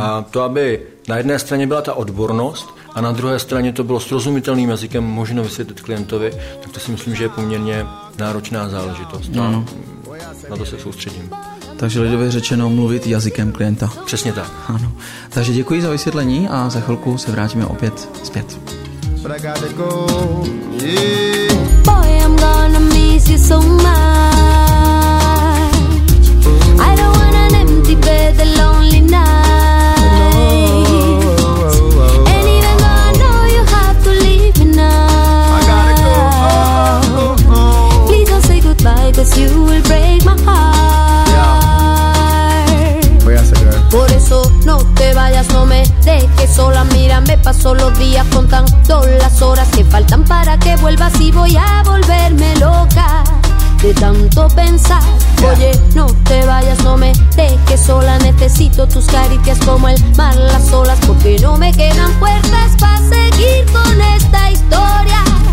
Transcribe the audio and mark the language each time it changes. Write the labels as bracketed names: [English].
[Czech] A to, aby na jedné straně byla ta odbornost a na druhé straně to bylo srozumitelným jazykem možno vysvětlit klientovi, tak to si myslím, že je poměrně náročná záležitost. No. Na to se soustředím. Takže lidově řečeno mluvit jazykem klienta. Přesně tak. Ano. Takže děkuji za vysvětlení a za chvilku se vrátíme opět zpět. [English] But I gotta go, yeah. Boy, I'm gonna miss you so much. I don't want an empty bed, a lonely night. And even though I know you have to leave me now, please don't say goodbye, 'cause you will break my heart. [Spanish] Voy a sacar. Por eso no te vayas, no me dejes sola. Mira, me paso los días contando las horas que faltan para que vuelvas y voy a volverme loca de tanto pensar. Oye, no te vayas, no me dejes sola. Necesito tus caricias como el mar, las olas, porque no me quedan puertas pa' seguir con esta historia.